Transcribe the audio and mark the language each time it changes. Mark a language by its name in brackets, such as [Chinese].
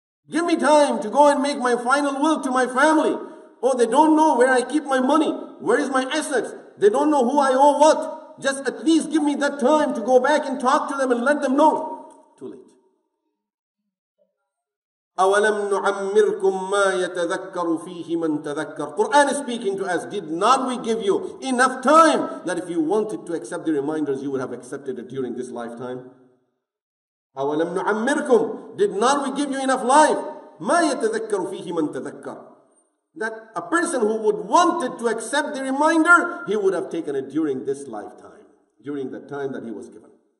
[English] Give me time to go and make my final will to my family. Oh, they don't know where I keep my money. Where is my assets? They don't know who I owe what. Just at least give me that time to go back and talk to them and let them know. Too late. [Arabic] أَوَلَمْ نُعَمِّرْكُمْ مَا يَتَذَكَّرُ فِيهِ مَنْ تَذَكَّرُ [English] Quran is speaking to us. Did not we give you enough time that if you wanted to accept the reminders, you would have accepted it during this lifetime? [Arabic] أَوَلَمْ نُعَمِّرْكُمْ [English] Did not we give you enough life? [Arabic] مَا يَتَذَكَّرُ فِيهِ مَنْ تَذَكَّرُ [English] That a person who would wanted to accept the reminder, he would have taken it during this lifetime, during the time that he was given.